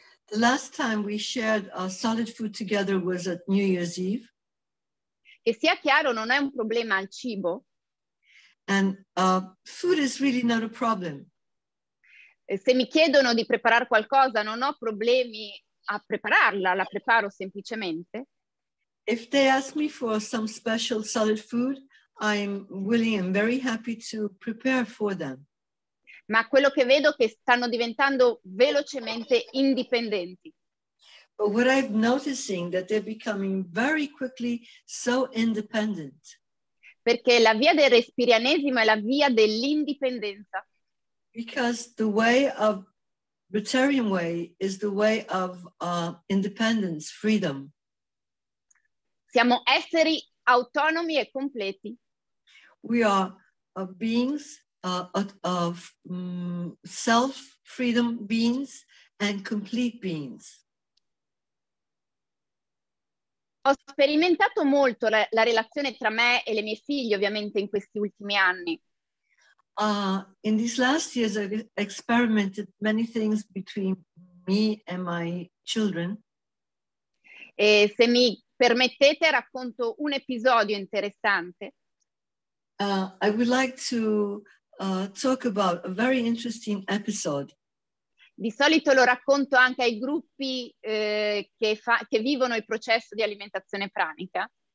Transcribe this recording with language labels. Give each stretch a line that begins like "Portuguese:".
English: The last time we shared solid food together was at New Year's Eve.
Italian: Che sia chiaro, non è un problema al cibo.
English: And food is really not a problem.
Italian: E se mi chiedono di preparare qualcosa, non ho problemi a prepararla, la preparo semplicemente.
English: If they ask me for some special solid food, I'm willing and very happy to prepare for them.
Italian: Ma quello che vedo è che stanno diventando velocemente indipendenti.
English: But what I'm noticing is that they're becoming very quickly so independent.
Italian: Perché la via del respirianesimo è la via dell'indipendenza.
English: Because the way of Rotarian way is the way of independence, freedom.
Italian: Siamo esseri autonomi e completi.
English: We are beings of self-freedom beings and complete beings.
Italian: Ho sperimentato molto la relazione tra me e le mie figlie, ovviamente, in questi ultimi anni.
English: In these last years, I've experimented many things between me and my children.
Italian: E se mi permettete, racconto un episodio interessante.
English: I would like to talk about a very interesting episode.
Italian: Di solito lo racconto anche ai gruppi che vivono il processo di alimentazione pranica.